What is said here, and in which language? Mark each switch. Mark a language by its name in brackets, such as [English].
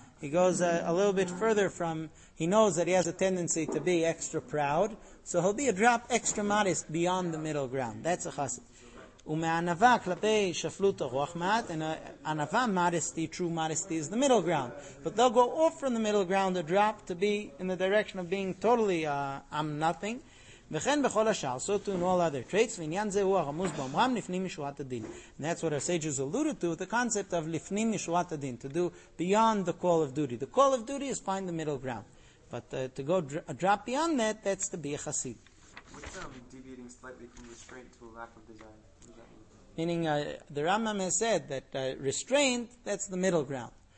[English] He goes a little bit further from, he knows that he has a tendency to be extra proud, so he'll be a drop extra modest beyond the middle ground. That's a chas. [Hebrew] Ume'anava klapei shaflut ha-ruach mat, [English] and anava modesty, true modesty, is the middle ground. But they'll go off from the middle ground, a drop, to be in the direction of being totally, I'm nothing. [Hebrew] וכן בכל השאר, [English] so too in all other traits, [Hebrew] ועניין זה הוא הרמוז באומרם, לפנים משורת הדין. [English] And that's what our sages alluded to, the concept of [Hebrew] לפנים משורת הדין, [English] to do beyond the call of duty. The call of duty is find the middle ground. But to go a drop beyond that, that's to be a chassid. What's deviating slightly from restraint to a lack of desire? Meaning, the Rambam has said that restraint, that's the middle ground.